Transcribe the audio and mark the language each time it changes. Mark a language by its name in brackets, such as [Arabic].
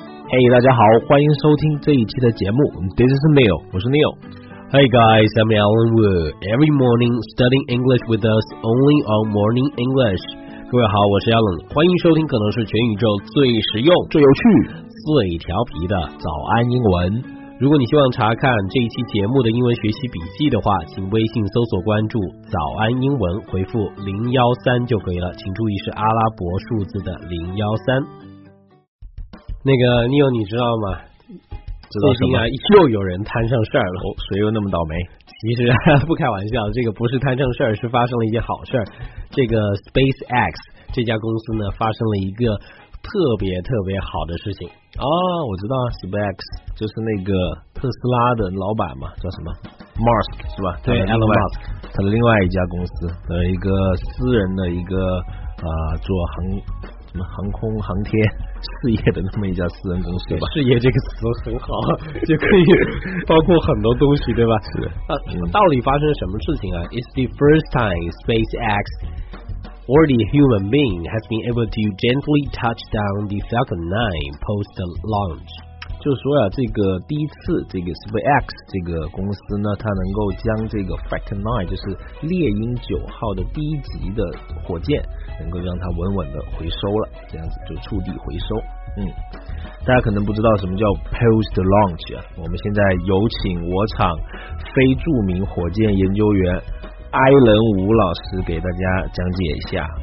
[Chinese] Hey， 大家好，欢迎收听这一期的节目。 [English] This is Neil， [Chinese] 我是 Neil。 [English] Hey guys, I'm Alan Wu. Every morning, studying English with us only on Morning English. [Chinese] 各位好，我是 Alan， 欢迎收听可能是全宇宙最实用、最有趣、最调皮的早安英文。如果你希望查看这一期节目的英文学习笔记的话，请微信搜索关注早安英文，回复013就可以了，请注意是阿拉伯数字的013。那个 Neil， 你知道吗？最近啊，又有人摊上事儿了。哦，谁又那么倒霉？其实不开玩笑，这个不是摊上事儿，是发生了一件好事儿。这个 SpaceX 这家公司呢，发生了一个特别特别好的事情。哦，我知道 SpaceX 就是那个特斯拉的老板嘛，叫什么 Musk 是吧？对 ，Elon Musk，他的另外一家公司的一个私人的一个做航。什么航空航天事业的那么一家私人公司吧。事业这个词很好，就可以包括很多东西，对吧？是的。到底发生什么事情啊？ [English] It's the first time SpaceX or the human being has been able to gently touch down the Falcon 9 post the launch。 [Chinese] 就说啊，这个第一次这个 SpaceX 这个公司呢，它能够将这个 Falcon 9，就是猎鹰9号的第一级的火箭，能够让它稳稳的回收了，这样子就触地回收。大家可能不知道什么叫 post launch 啊，我们现在有请我场非著名火箭研究员埃伦·伍老师给大家讲解一下。